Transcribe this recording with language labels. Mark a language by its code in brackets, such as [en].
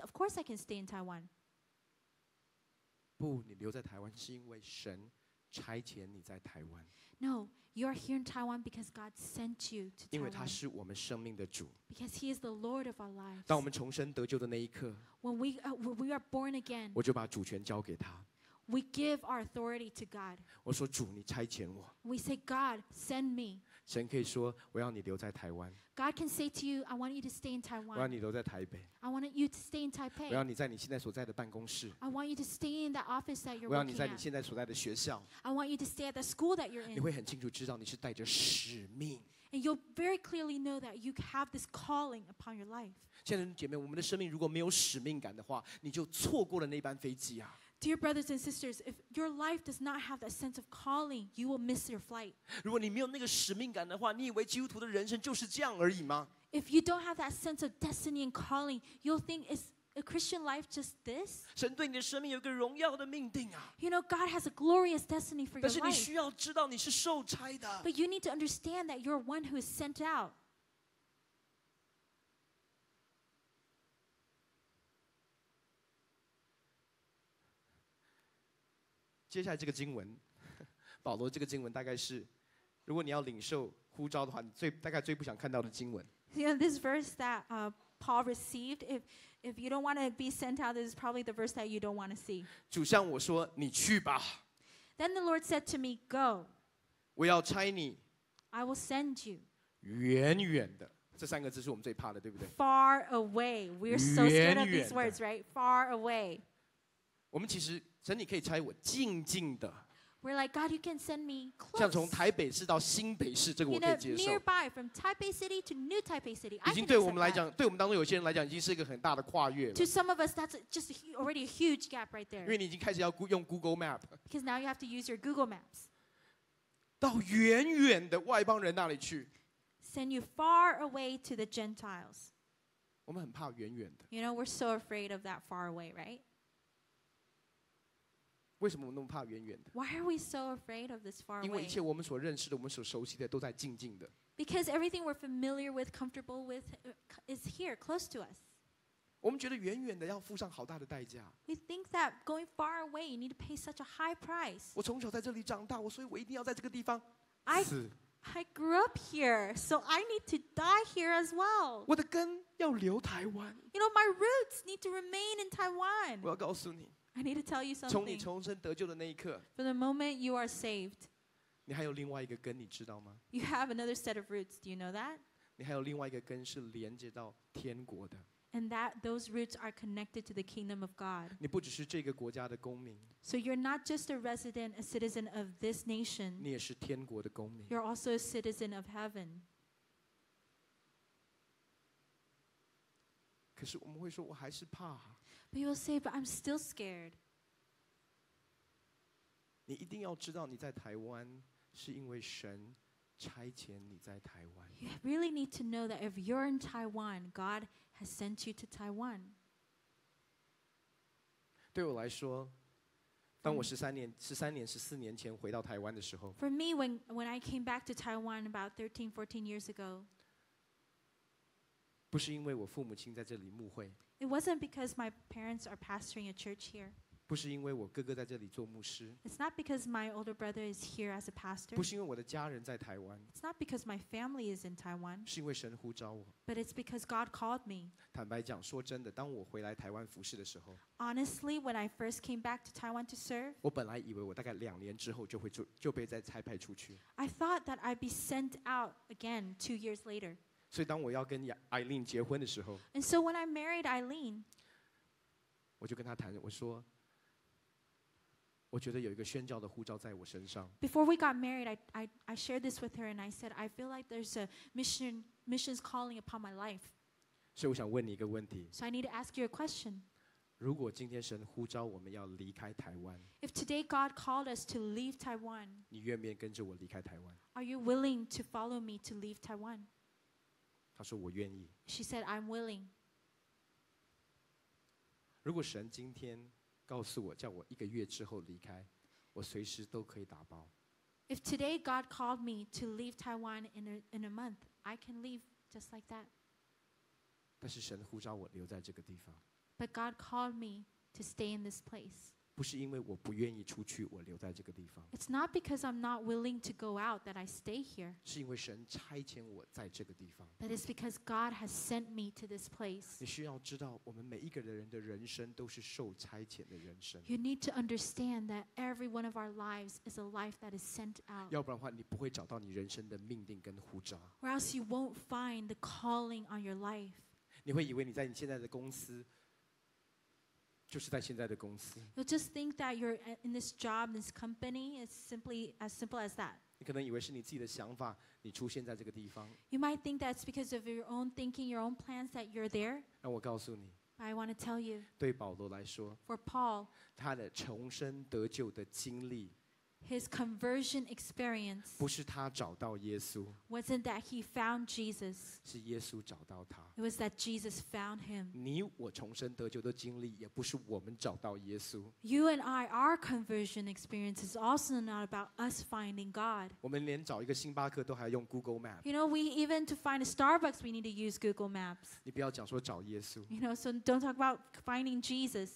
[en] Of course, I can stay in Taiwan. [zh] 不，你留在台湾是因为神差遣你在台湾。 [en] No, you are here in Taiwan because God sent you to Taiwan. [zh] 因为他是我们生命的主。 [en] Because He is the Lord of our lives. [zh] 当我们重生得救的那一刻 [en] ，When we are born again, [zh] 我就把主权交给他。 [en] We give our authority to God. [zh] 我说主，你差遣我。 [en] We say, God, send me. [zh] 神可以说，我要你留在台湾。 [en] God can say to you, I want you to stay in Taiwan. [zh] 我要你留在台北。 [en] I want you to stay in Taipei. [zh] 我要你在你现在所在的办公室。 [en] I want you to stay in the office that you're working [zh] at. 我要你在你现在所在的学校。 [en] I want you to stay at the school that you're in. [zh] 你会很清楚知道你是带着使命。 [en] And you'll very clearly know that you have this calling upon your life. [zh] 亲爱的姐妹，我们的生命如果没有使命感的话，你就错过了那班飞机啊。 [en] Dear brothers and sisters, if your life does not have that sense of calling, you will miss your flight. [zh] 如果你没有那个使命感的话，你以为基督徒的人生就是这样而已吗？ [en] If you don't have that sense of destiny and calling, you'll think it's a Christian life just this. [zh] 神对你的生命有一个荣耀的命定啊。 [en] You know, God has a glorious destiny for your life. [zh] 但是你需要知道你是受差的。 [en] But you need to understand that you're one who is sent out. [zh] 接下来这个经文，保罗这个经文大概是，如果你要领受呼召的话，你最大概最不想看到的经文。 [en] You know, this verse that Paul received, if you don't want to be sent out, this is probably the verse that you don't want to see. [zh] 主向我说，你去吧。 [en] Then the Lord said to me, Go. [zh] 我要差你。 [en] I will send you. [zh] 远远的，这三个字是我们最怕的，对不对 [en] ？Far away. We're so scared of these words, right? Far away. [zh] 我们其实。神，你可以差我静静的。 [en] We're like God, you can send me close. [zh] 像从台北市到新北市，这个我可以接受。 [en] Nearby, from Taipei City to New Taipei City, I can accept. [zh] 已经对我们来讲，对我们当中有些人来讲，已经是一个很大的跨越了。 [en] To some of us, that's just already a huge gap right there. [zh] 因为你已经开始要用 Google Map. [en] Because now you have to use your Google Maps. [zh] 到远远的外邦人那里去。 [en] Send you far away to the Gentiles. [zh] 我们很怕远远的。 [en] You know, we're so afraid of that far away, right? [zh] 为什么我们那么怕远远的 [en] ？Why are we so afraid of this far away？ [zh] 因为一切我们所认识的、我们所熟悉的，都在静静的。 [en] Because everything we're familiar with, comfortable with, is here, close to us. [zh] 我们觉得远远的要付上好大的代价。 [en] We think that going far away, you need to pay such a high price. [zh] 我从小在这里长大，所以我一定要在这个地方死。 [en] I grew up here, so I need to die here as well. [zh] 我的根要留台湾。 [en] You know, my roots need to remain in Taiwan. [zh] 我要告诉你。 [en] I need to tell you something. [zh] 从你重生得救的那一刻。 [en] From the moment you are saved. [zh] 你还有另外一个根，你知道吗？ [en] You have another set of roots. Do you know that? [zh] 你还有另外一个根是连接到天国的。 [en] And that those roots are connected to the kingdom of God. [zh] 你不只是这个国家的公民。 [en] So you're not just a resident, a citizen of this nation. [zh] 你也是天国的公民。 [en] You're also a citizen of heaven. [zh] 可是我们会说，我还是怕。 [en] But you'll say, but I'm still scared. [zh] 你一定要知道你在台湾是因为神差遣你在台湾。 [en] You really need to know that if you're in Taiwan, God has sent you to Taiwan. [zh] 对我来说，当我十三年、十四年前回到台湾的时候 [en] ，For me, when I came back to Taiwan about 13-14 years ago, [zh] 不是因为我父母亲在这里牧会。 [en] It wasn't because my parents are pastoring a church here. [zh] 不是因为我哥哥在这里做牧师。 [en] It's not because my older brother is here as a pastor. [zh] 不是因为我的家人在台湾。 [en] It's not because my family is in Taiwan. [zh] 是因为神呼召我。 [en] But it's because God called me. [zh] 坦白讲，说真的，当我回来台湾服事的时候 [en] ，Honestly, when I first came back to Taiwan to serve, [zh] 我本来以为我大概两年之后就被再差派出去。 [en] I thought that I'd be sent out again 2 years later. [zh] 所以当我要跟艾琳结婚的时候 [en] And so when I married Eileen, [zh] 我就跟她谈我说我觉得有一个宣教的呼召在我身上 [en] Before we got married, I shared this with her and I said, I feel like there's a missions calling upon my life. [zh] 所以我想问你一个问题 [en] So I need to ask you a question. [zh] 如果今天神呼召我们要离开台湾 [en] If today God called us to leave Taiwan, [zh] 你愿不愿意跟着我离开台湾 [en] Are you willing to follow me to leave Taiwan? [zh] 他说我愿意。 [en] She said, I'm willing. [zh] 如果神今天告诉我，叫我一个月之后离开，我随时都可以打包。 [en] If today God called me to leave Taiwan in a month, I can leave just like that. [zh] 但是神呼召我留在这个地方。 [en] But God called me to stay in this place. [zh] 不是因为我不愿意出去，我留在这个地方。 [en] It's not because I'm not willing to go out that I stay here. [zh] 是因为神差遣我在这个地方。 [en] But it's because God has sent me to this place. [zh] 你需要知道，我们每一个人的人生都是受差遣的人生。 [en] You need to understand that every one of our lives is a life that is sent out. [zh] 要不然的话，你不会找到你人生的命定跟呼召。 [en] Or else you won't find the calling on your life. [zh] 你会以为你在你现在的公司。就是在现在的公司。 [en] You'll just think that you're in this job, this company, it's simply as simple as that. [zh] 你可能以为是你自己的想法，你出现在这个地方。 [en] You might think that's because of your own thinking, your own plans that you're there. [zh] 让我告诉你。 [en] I want to tell you. [zh] 对保罗来说。 [en] For Paul. [zh] 他的重生得救的经历。 [en] His conversion experience. [zh] 不是他找到耶稣。 [en] Wasn't that he found Jesus? [zh] 是耶稣找到他。 [en] It was that Jesus found him. [zh] 你我重生得救的经历，也不是我们找到耶稣。 [en] You and I, our conversion experience is also not about us finding God. [zh] 我们连找一个星巴克都还要用 Google Maps. [en] You know, we even to find a Starbucks, we need to use Google Maps. [zh] 你不要讲说找耶稣。 [en] You know, so don't talk about finding Jesus.